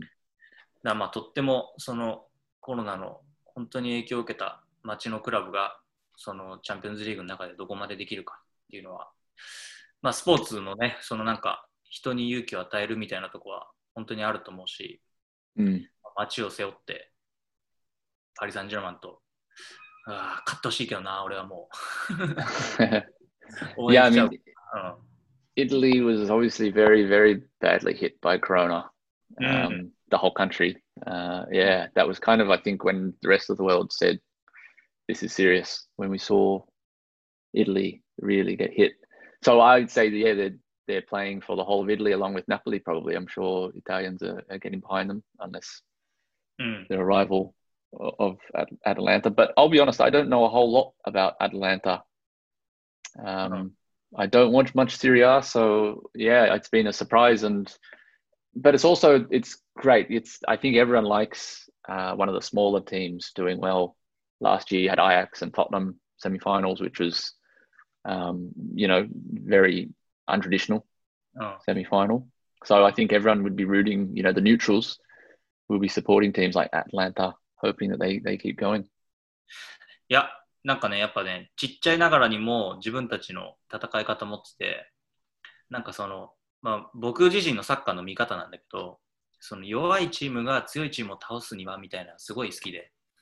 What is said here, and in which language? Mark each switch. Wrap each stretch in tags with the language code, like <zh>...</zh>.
<ja>だからまあ、とってもそのコロナの本当に影響を受けた街のクラブが、そのチャンピオンズリーグの中でどこまでできるかっていうのは、まあ、スポーツのね、そのなんか人に勇気を与えるみたいなとこは本当にあると思うし、うん、街を背負ってパリ・サンジェルマンと、ああ、勝ってほしいけどな、俺はもう。応援しちゃう。</ja> <en>Yeah, I mean, Italy was obviously very, very badly hit by Corona, the whole country. Yeah, that was kind of, I think, when the rest of the world said, this is serious, when we saw Italy really get hit. So I'd say, yeah, they're playing for the whole of Italy along with Napoli, probably. I'm sure Italians are getting behind them, unless they're a rival of Atalanta. But I'll be honest, I don't know a whole lot about Atalanta. I don't watch much Serie A, so yeah, it's been a surprise. But it's also, it's great. I think everyone likes one of the smaller teams doing well. Last year you had Ajax and Tottenham semi-finals, which was... very untraditional semi-final. So I think everyone would be rooting, you know, the neutrals will be supporting teams like Atlanta, hoping that they keep going.</en> <ja>いや、なんかね、やっぱね、ちっちゃいながらにも自分たちの戦い方持ってて、なんかその、まあ、僕自身のサッカーの見方なんだけど、その弱いチームが強いチームを倒すにはみたいな、すごい好きで。</ja>